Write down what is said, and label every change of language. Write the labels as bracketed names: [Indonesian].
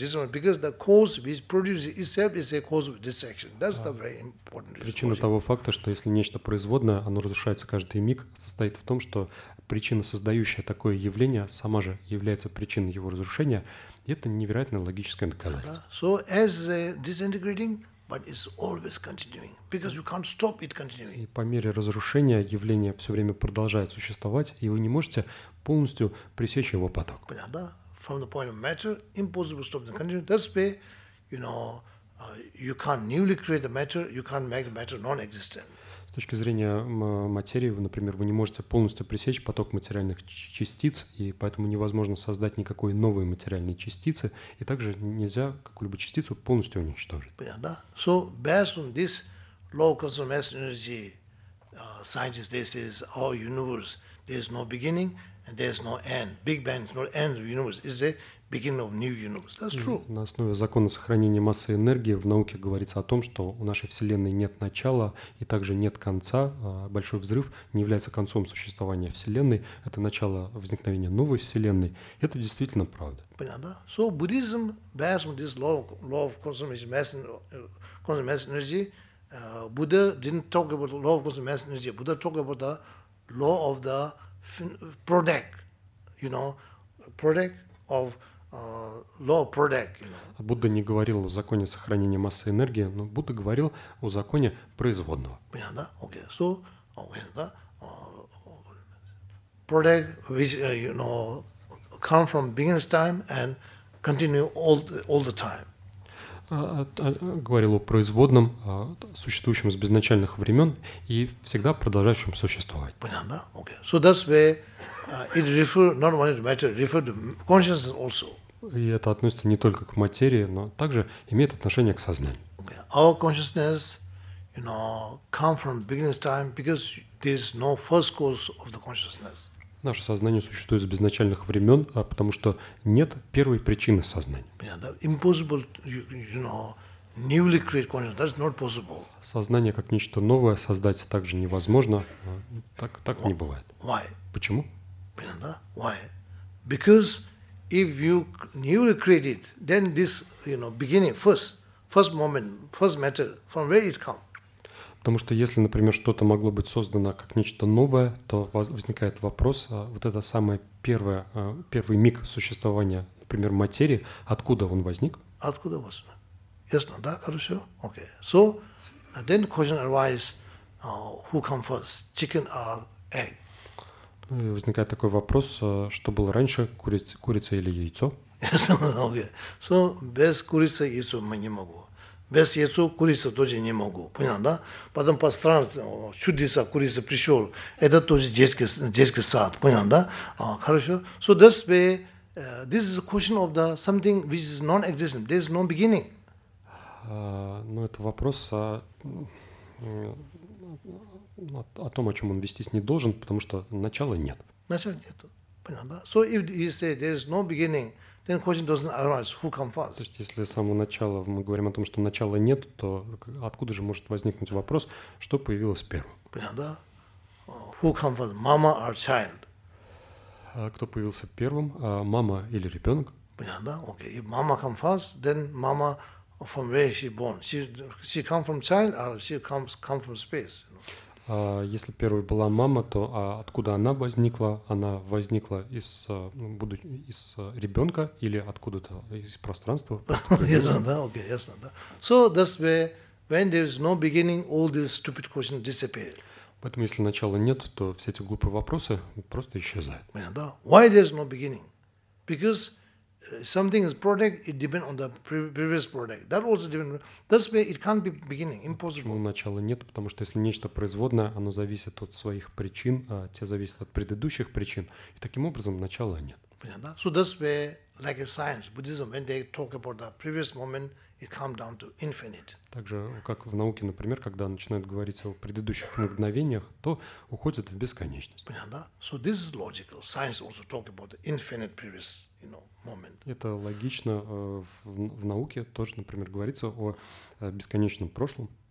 [English] This one, because the cause which produces itself is a cause of destruction. That's the very important reason. [Russian] Причина того факта, что если нечто производное, оно разрушается каждый миг, состоит в том, что причина, создающая такое явление, сама же является причиной его разрушения. И это невероятное логическое доказательство. [English] Yeah, so as disintegrating, but it's always continuing because you can't stop it continuing. [Russian] И по мере разрушения явление все время продолжает существовать, и вы не можете полностью пресечь его поток. Понятно? [English] From the point of matter, impossible to stop the continuing. That's why, you know, you can't newly create the matter, you can't make the matter non-existent. [Russian] С точки зрения материи, например, вы не можете полностью пресечь поток материальных частиц, и поэтому невозможно создать никакой новой материальной частицы, и также нельзя какую-либо частицу полностью уничтожить. Понятно? [English] So, based on this law of conservation of mass and energy, scientists, they say, our universe, there is no beginning and there is no end. Big Bang is not end of the universe, it's a beginning of new universe. That's true. [Russian] На основе закона сохранения массы и энергии в науке говорится о том, что у нашей Вселенной нет начала и также нет конца. Большой взрыв не является концом существования Вселенной. Это начало возникновения новой Вселенной. Это действительно правда. Понятно? [English] So Buddhism, based on this law of conservation of mass and energy, Buddha didn't talk about the law of conservation of mass and energy. Buddha talked about the law of the product, you know, product of law of product, you know. [Russian] Будда не говорил о законе сохранения массы и энергии, но Будда говорил о законе производного. Понятно? [English] Okay. So, okay, [Russian] да? [English] Product which, you know, come from beginning time and continue all the time. [Russian] Говорил о производном, существующем с безначальных времен и всегда продолжающем существовать. Понятно? [English] Okay. So that's where it refers not only to matter, refers to consciousness also. [Russian] И это относится не только к материи, но также имеет отношение к сознанию. [English] Okay. Our consciousness, you know, come from beginning time because there is no first cause of the consciousness. [Russian] Наше сознание существует с безначальных времен, потому что нет первой причины сознания. [English] Impossible, you know, newly create consciousness. That's not possible. [Russian] Сознание как нечто новое создать также невозможно. Так не бывает. [English] Why? [Russian] Почему? [English] Why? Because if you newly create it, then this, you know, beginning, first moment, first matter, from where it come? [Russian] Потому что если, например, что-то могло быть создано как нечто новое, то возникает вопрос, вот это самое первое, первый миг существования, например, материи, откуда он возник? Откуда возник? Ясно, да, хорошо? Окей. [English] So, then question arises, who come first, chicken or egg? [Russian] И возникает такой вопрос, что было раньше, курица или яйцо? [English] Okay. So, [Russian] без курицы яйцо мы не могу. Без яйца курица тоже не могу. Понял, да? Потом по странице чудеса курица пришел. Это тоже детский сад. Понял, да? Хорошо. [English] So, this way, this is a question of the something which is non-existent. There is no beginning. [Russian] Ну, это вопрос о том, о чем он вестись не должен, потому что начала нет. Начала нет. Понял, да? [English] So, if you say there is no beginning, then question doesn't arise, who come first? [Russian] То есть, если с самого начала мы говорим о том, что начала нет, то откуда же может возникнуть вопрос, что появилось первым? Понял, да? [English] Who come first, mama or child? [Russian] Кто появился первым, мама или ребенок? Понял, да? [English] Okay. If mama come first, then mama from where she born? She come from child or she come from space? [Russian] Если первой была мама, то откуда она возникла? Она возникла из ребенка или откуда-то из пространства? Ясно, да? Окей, ясно, да? [English] So that's where, when there is no beginning, all these stupid questions disappear. [Russian] Поэтому если начала нет, то все эти глупые вопросы просто исчезают. Да? [English] Why there is no beginning? Because something is product, it depends on the previous product. That also depends. That's why it can't be beginning, impossible. [Russian] Ну, начала нет, потому что если нечто производное, оно зависит от своих причин, а те зависят от предыдущих причин. И таким образом начала нет. Понятно, да? [English] So that's why, like a science, Buddhism, when they talk about the previous moment, it comes down to infinite. [Russian] Также, как в науке, например, когда начинают говорить о предыдущих мгновениях, то уходят в бесконечность. Понятно, да? [English] So this is logical. Science also talk about the infinite previous, you know, moment. [Russian] Это логично. В науке тоже, например, говорится о бесконечном прошлом.